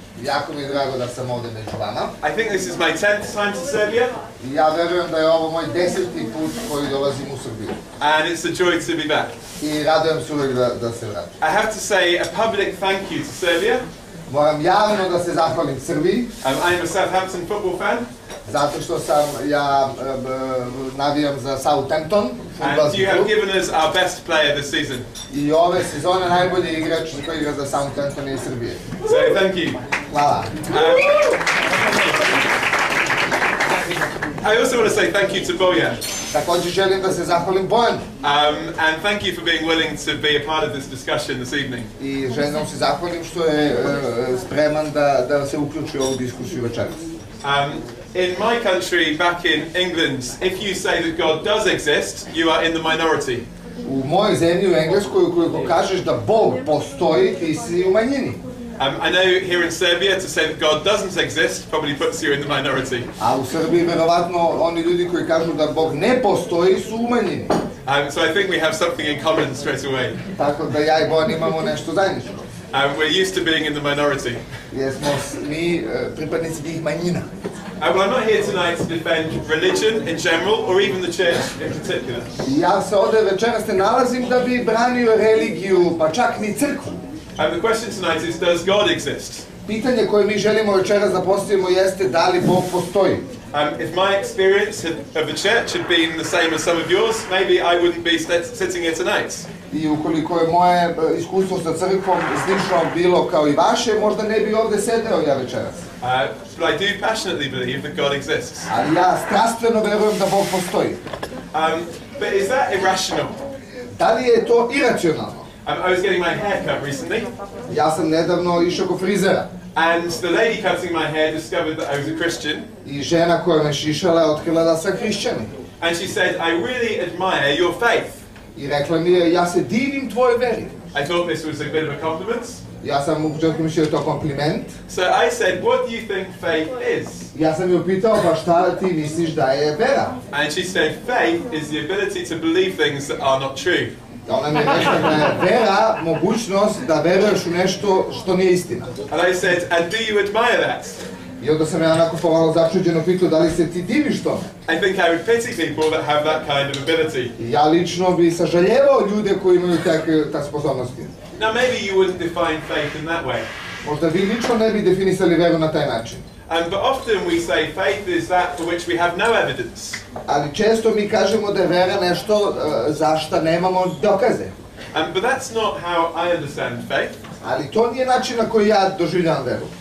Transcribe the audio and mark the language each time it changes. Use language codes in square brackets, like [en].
[sr] Jako mi je drago da sam ovde među vama. [en] I think this is my 10th time to Serbia. [sr] Ja verujem da je ovo moj 10. Put koji dolazim u Srbiju. [en] And it's a joy to be back. [sr] I radujem se uvek da se vratim. [en] I have to say a public thank you to Serbia. [sr] Moram javno da se zahvalim Srbiji. [en] I'm a Southampton football fan. [sr] Zato što sam ja navijam za Southampton. [en] And you have given us our best player this season. [sr] I ove sezone najbolji igrač koji igra za Southampton i Srbije. [en] So, thank you. [sr] Hvala. [en] I also want to say thank you to Bojan. [sr] Također želim da se zahvalim Bojan. [en] And thank you for being willing to be a part of this discussion this evening. [sr] I želim se zahvalim što je spreman da se uključi u ovu diskusiju večeras. [en] In my country, back in England, if you say that God does exist, you are in the minority. [sr] U mojoj zemlji, u Engleskoj, ukoliko kažeš da Bog postoji, ti si u manjini. [en] I know here in Serbia, to say that God doesn't exist probably puts you in the minority. [sr] A u Srbiji, verovatno, oni ljudi koji kažu da Bog ne postoji, su u manjini. [en] So I think we have something in common straight away. [sr] Tako da ja i Bojan imamo nešto zajedničko. [en] We're used to being in the minority. [sr] Yes, mi pripadnici tih manjina. [en] Well, I'm not here tonight to defend religion in general, or even the church in particular. [sr] Ja se ovde večeras ne nalazim da bi branio religiju, pa čak ni crkvu. [en] And the question tonight is, does God exist? [sr] Pitanje koje mi želimo večeras da postavimo jeste, da li Bog postoji? [en] If my experience of the church had been the same as some of yours, maybe I wouldn't be sitting here tonight. [sr] I ukoliko je moje iskustvo sa crkvom slično bilo kao i vaše, možda ne bi ovde sedeo ja večeras. [en] But I do passionately believe that God exists. [sr] Ali ja strastveno verujem da Bog postoji. [en] But is that irrational? [sr] Da li je to iracionalno? [en] I was getting my hair cut recently. [sr] Ja sam nedavno išao kod frizera. [en] And the lady cutting my hair discovered that I was a Christian. [sr] I žena koja me šišala otkrila da sam hrišćan. [en] And she said, I really admire your faith. [sr] I rekla mi je, ja se divim tvojoj veri. [en] I thought this was a bit of a compliment. [sr] Ja sam u početku mislio to kompliment. [en] So I said, what do you think faith is? [sr] Ja sam ju pitao, pa šta ti misliš da je vera? [en] And she said, faith is the ability to believe things that are not true. [sr] Da ona mi je rekla da je vera mogućnost da veruješ u nešto što nije istina. [en] And I said, and do you admire that? [sr] I onda sam ja onako pomalo začuđeno pitao da li se ti diviš tome. [en] I think I would pity people that have that kind of ability. [sr] Ja lično bi sažaljevao ljude koji imaju takve sposobnosti. [en] Now maybe you wouldn't define faith in that way. [sr] Možda vi lično ne bi definisali veru na taj način. [en] But often we say faith is that for which we have no evidence. [sr] Ali često mi kažemo da je vera nešto za što nemamo dokaze. [en] But that's not how I understand faith. [sr] Ali to nije način na koji ja doživljam veru.